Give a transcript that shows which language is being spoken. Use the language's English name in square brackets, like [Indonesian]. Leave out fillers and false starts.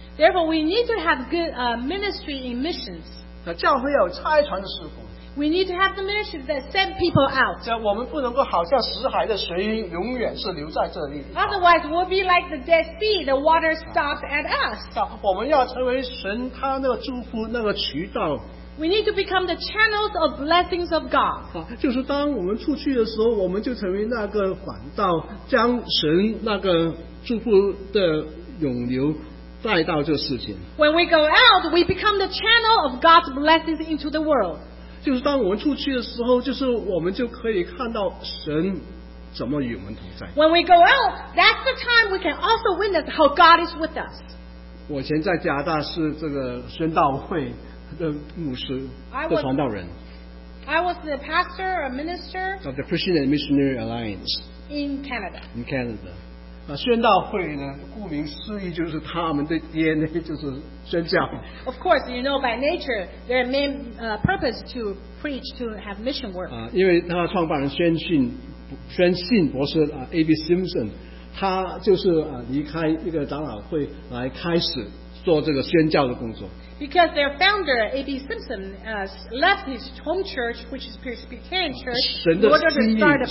[English] Therefore, we need to have good ministry in missions. [Chinese] 教会要有差传的事工。 [English] We need to have the ministry that send people out. [Chinese] 我们不能够好像死海的水永远是留在这里。 [English] Otherwise, we'll be like the Dead Sea. The water stops at us. [Chinese] 我们要成为神他那个祝福那个渠道。 [English] We need to become the channels of blessings of God. [Chinese] 就是当我们出去的时候，我们就成为那个管道，将神那个祝福的涌流带到这世界。 [English] When we go out, we become the channel of God's blessings into the world. [Chinese] 就是当我们出去的时候，就是我们就可以看到神怎么与我们同在。 [English] When we go out, that's the time we can also witness how God is with us. [Chinese] 我以前在加拿大是这个宣道会的牧师的传道人。 [English] I was the pastor or minister of the Christian and Missionary Alliance in Canada. In Canada. [Chinese] 宣道会呢，顾名思义就是他们的 DNA 就是宣教。 [English] Of course, you know by nature their main purpose to preach to have mission work. [Chinese] 因为他创办人宣信博士A.B. Simpson, 他就是离开一个长老会来开始做这个宣教的工作。 [English] Because their founder, A.B. Simpson, left his home church, which is Presbyterian church, in order to start a